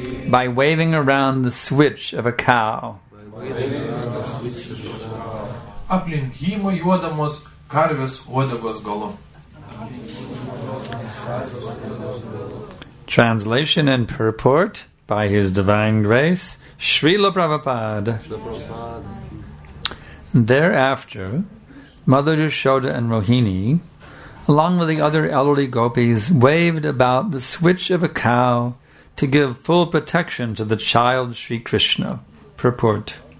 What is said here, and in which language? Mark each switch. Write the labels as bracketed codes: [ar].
[en] By waving around the switch of a cow. [lt] Aplink jį mojuodamos karvės uodegos galu. [en] Translation and purport by His Divine Grace, Srila Prabhupada. Thereafter, Mother Yashoda and Rohini, along with the other elderly gopis, waved about the switch of a cow to give full protection to the child Sri Krishna. Purport.